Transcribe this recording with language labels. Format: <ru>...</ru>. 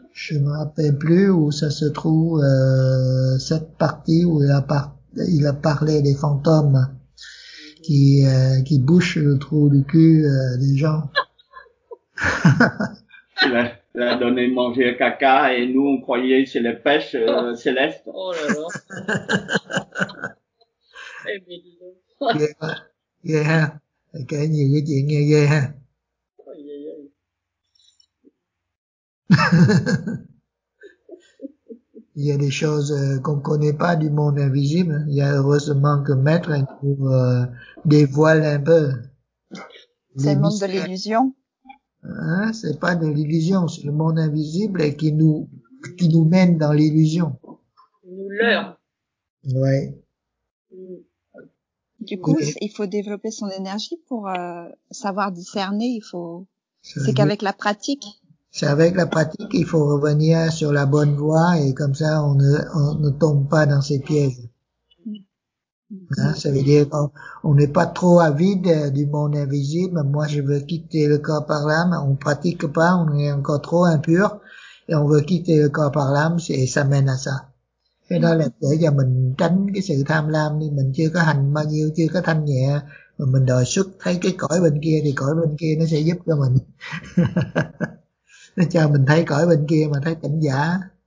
<fr>Je me rappelle plus où ça se trouve, cette partie où il a parlé des fantômes qui bouchent le trou du cul des gens. Il a donné manger à caca et nous on croyait c'est les pêches célestes. Oh là là.</fr> <vi>Ghê ha, kể nhiều cái chuyện nghe ghê ha.</vi> <fr>Il y a des choses qu'on ne connaît pas du monde invisible. Il y a heureusement que Maître nous dévoile un peu. C'est le monde de l'illusion. Hein, c'est pas de l'illusion, c'est le monde invisible et qui nous mène dans l'illusion. Nous leurre. Oui. Du coup, il faut développer son énergie pour savoir discerner. Il faut. C'est qu'avec la pratique. C'est avec la pratique qu'il faut revenir sur la bonne voie et comme ça on ne tombe pas dans ces pièges. Ça veut dire qu'on n'est pas trop avide du monde invisible. Moi, je veux quitter le corps par l'âme. On pratique pas, on est encore trop impur. Et on veut quitter le corps par l'âme, et ça mène à ça.</fr> <vi>Thế đó là để cho mình tránh cái sự tham lam đi, mình chưa có hành bao nhiêu, chưa có thanh nhẹ, mà mình đòi xuất thấy cái cõi bên kia thì cõi bên kia nó sẽ giúp cho mình. Nó cho mình thấy cõi bên kia mà thấy tỉnh giả.</vi>